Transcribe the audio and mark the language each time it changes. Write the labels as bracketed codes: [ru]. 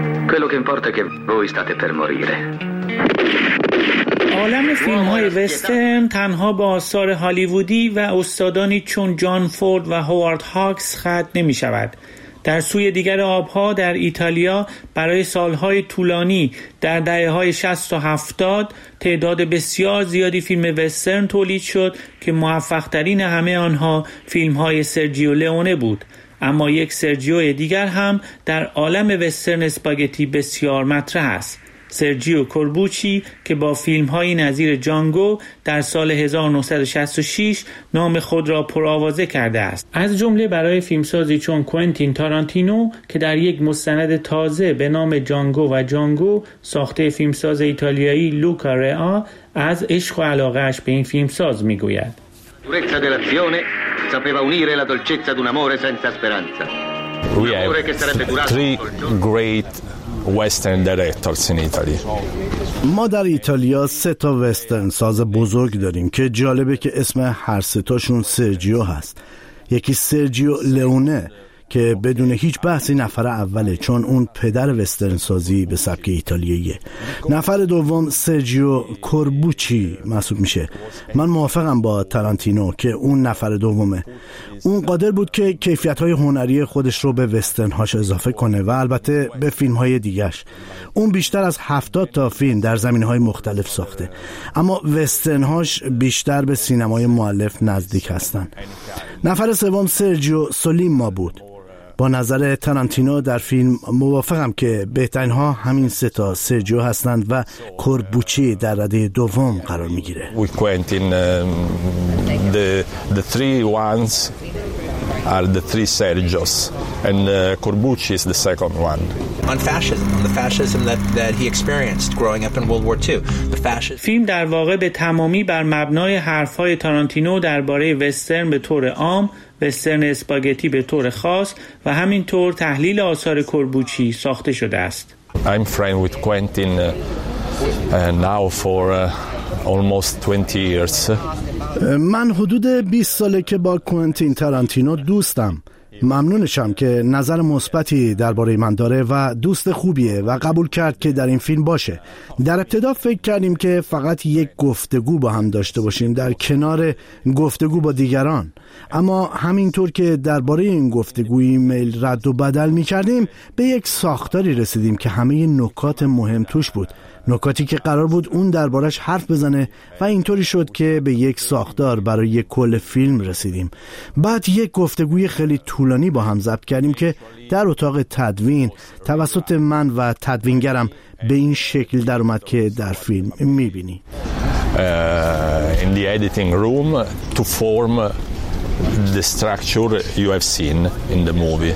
[it] Quello che importa è che voi state per morire. [fa] عالم فیلم های وسترن تنها با آثار هالیوودی و استادانی چون جان فورد و هوارد هاکس ختم نمی شود. در سوی دیگر آبها در ایتالیا برای سالهای طولانی در دهه های 60 و 70 تعداد بسیار زیادی فیلم وسترن تولید شد که موفق ترین همه آنها فیلم های سرجیو لئونه بود. اما یک سرجیو دیگر هم در عالم وسترن اسپاگتی بسیار مطرح است. سرجیو کوربوچی که با فیلم‌های نظیر جانگو در سال 1966 نام خود را پرآوازه کرده است. از جمله برای فیلمسازی چون کوئنتین تارانتینو که در یک مستند تازه به نام جانگو و جانگو ساخته فیلمساز ایتالیایی لوکا رعا از عشق و علاقه‌اش به این فیلمساز می‌گوید. [it] Durezza dell'azione sapeva unire la dolcezza d'un amore senza speranza. Un amore che sarebbe durato tre [en] great Western directors in Italy. [fa] ما در ایتالیا سه تا وسترن ساز بزرگ داریم که جالبه که اسم هر سه تاشون سرجیو هست. یکی سرجیو لئونه که بدون هیچ بحثی نفر اوله، چون اون پدر وسترن سازی به سبک ایتالیاییه. نفر دوم سرجیو کوربوچی محسوب میشه. من موافقم با تارانتینو که اون نفر دومه. اون قادر بود که کیفیت‌های هنری خودش رو به وسترن‌هاش اضافه کنه و البته به فیلم‌های دیگه‌اش. اون بیشتر از 70 تا فیلم در زمین‌های مختلف ساخته، اما وسترن‌هاش بیشتر به سینمای مؤلف نزدیک هستن. نفر سوم سرجیو سولیما بود. با نظر تارانتینو در فیلم موافقم که بهترین ها همین سه تا سرجیو هستند و کوربوچی در رده دوم قرار میگیره. [en] Quentin the three ones are the three Sergios and Corbucci is the second one. On fascism, the fascism that he experienced growing up in World War II. The fascism. [fa] فیلم در واقع به تمامی بر مبنای حرفهای تارانتینو درباره وسترن به طور عام، وسترن اسپاگتی به طور خاص و همینطور تحلیل آثار کوربوچی ساخته شده است. [en] I'm friend with Quentin now for almost 20 years. [fa] من حدود 20 ساله که با کوئنتین تارانتینو دوستم. ممنونشم که نظر مثبتی درباره من داره و دوست خوبیه و قبول کرد که در این فیلم باشه. در ابتدا فکر کردیم که فقط یک گفتگو با هم داشته باشیم در کنار گفتگو با دیگران، اما همینطور که درباره این گفتگوی میل رد و بدل می کردیم به یک ساختاری رسیدیم که همه نکات مهم توش بود، نکاتی که قرار بود اون دربارش حرف بزنه و اینطوری شد که به یک ساختار برای یک کل فیلم رسیدیم. بعد یک گفتگوی خیلی طولانی با هم ضبط کردیم که در اتاق تدوین توسط من و تدوینگرم به این شکل در اومد که در فیلم میبینی. [en] In the editing room to form the structure you have seen in the movie.